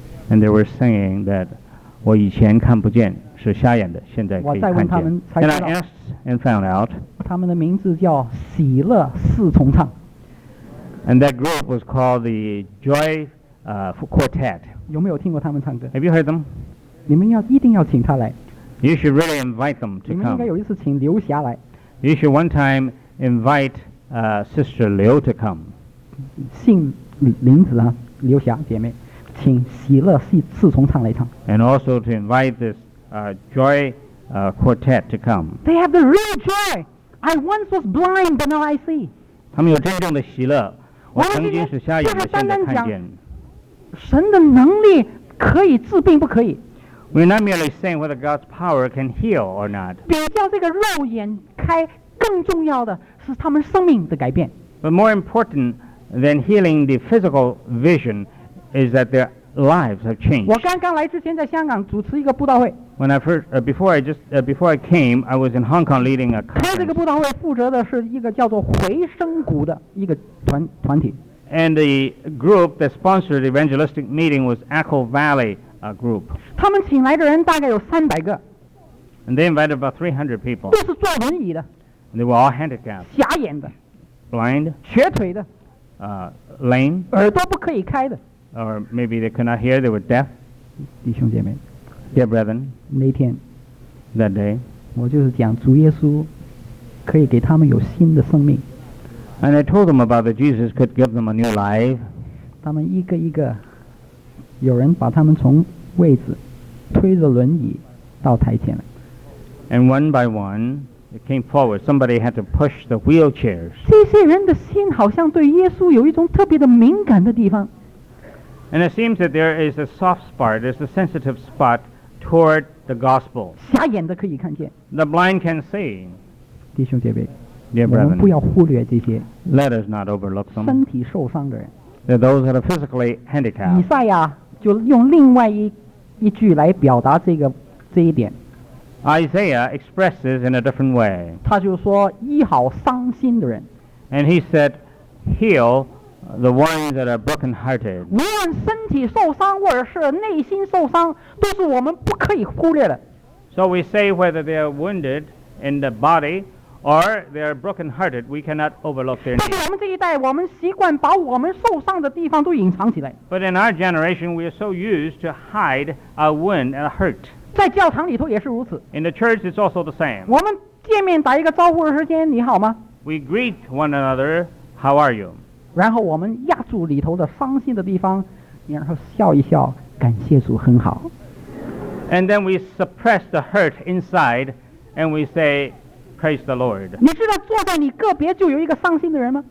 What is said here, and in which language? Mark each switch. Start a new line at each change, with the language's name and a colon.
English: And they were singing that
Chinese: 我以前看不见是瞎眼的现在可以看见。我再问他们才知道。
English: And I asked and found out.
Chinese: 他们的名字叫喜乐四重唱。
English: And that group was called the Joy Quartet.
Chinese: 有没有听过他们唱歌
English: Have you heard them?
Chinese: 你们要一定要请他来
English: You should really invite them to come
Chinese: 你们应该有一次请刘霞来
English: You should one time invite Sister Liu to come
Chinese: 姓林子啊刘霞姐妹请喜乐四重唱来唱
English: And also to invite this Joy Quartet to come They have the real joy I once was blind but now I see
Chinese: 他们有真正的喜乐我曾经是瞎眼的现在看见神的能力可以治病不可以
English: We're not merely saying whether God's power can heal or not
Chinese: 比较这个肉眼开更重要的是他们生命的改变
English: But more important than healing the physical vision is that their lives have changed
Chinese: 我刚刚来之前在香港主持一个布道会
English: When I first, before I came I was in Hong Kong leading a conference
Chinese: 开这个布道会负责的是一个叫做回声谷的一个 团体
English: And the group that sponsored the evangelistic meeting was Echo Valley group.
Chinese: 他们请来的人大概有三百个。
English: And they invited about 300 people.
Chinese: 都是坐轮椅的。
English: And they were all handicapped.
Chinese: 瞎眼的。
English: Blind.
Chinese: 瘸腿的。
English: Lame.
Chinese: 耳朵不可以开的。
English: Or maybe they could not hear, they were deaf.
Chinese: 弟兄姐妹。
English: Dear brethren.
Chinese: 那天。
English: That day.
Chinese: 我就是讲主耶稣可以给他们有新的生命。
English: And I told them about that Jesus could give them a new life.
Chinese: 他们一个一个，有人把他们从位置推着轮椅到台前来。
English: And one by one, it came forward. Somebody had to push the wheelchairs.
Chinese: 这些人的心好像对耶稣有一种特别的敏感的地方。
English: And it seems that there is a soft spot, there's a sensitive spot toward the gospel.
Chinese: 瞎眼的可以看见。
English: The blind can see.
Chinese: 弟兄姐妹。
English: Dear brethren,
Chinese: 我们不要忽略这些
English: Let us not overlook them.
Chinese: 身体受伤的人
English: That those that are physically handicapped.
Chinese: 以赛亚就用另外一句来表达这一点
English: Isaiah expresses in a different way.
Chinese: 他就说医好伤心的人
English: And he said, heal the ones that are broken hearted.
Chinese: 无论身体受伤或者是内心受伤都是我们不可以忽略的
English: So we say whether they are wounded in the body or they are broken hearted, we cannot overlook their needs.
Chinese: 但是我们这一代，我们习惯把我们受伤的地方都隐藏起来。
English: But in our generation, we are so used to hide our wound and hurt.
Chinese: 在教堂里头也是如此。
English: In the church, it's also the same.
Chinese: 我们见面打一个招呼的时间，你好吗？
English: We greet one another, how are you?
Chinese: 然后我们压住里头的伤心的地方，然后笑一笑，感谢主很好。
English: And then we suppress the hurt inside, and we say,Praise the Lord.
Chinese: 你知道坐在你个别就有一个伤心的人吗